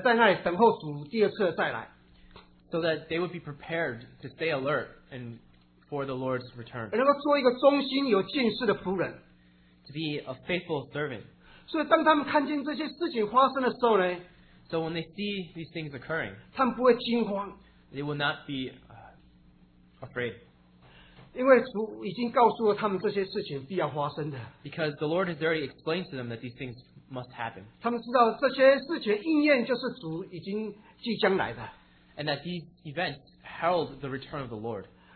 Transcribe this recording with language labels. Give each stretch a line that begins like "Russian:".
Chinese: 让他们这些人能够知道要怎样预备自己警醒的在那里等候主第二次的再来.
English: So that they would be prepared to stay alert and for the Lord's return.
Chinese: 能够做一个忠心有见识的仆人.
English: To be a faithful servant.
Chinese: 所以当他们看见这些事情发生的时候呢,
English: so when they see these things occurring,
Chinese: 他们不会惊慌,
English: they will not be afraid.
Chinese: 因为主已经告诉了他们这些事情必要发生的.
English: Because the Lord has already explained to them that these things must happen.
Chinese: 他们知道这些事情应验就是主已经即将来的.
English: And that these events herald the return of the Lord.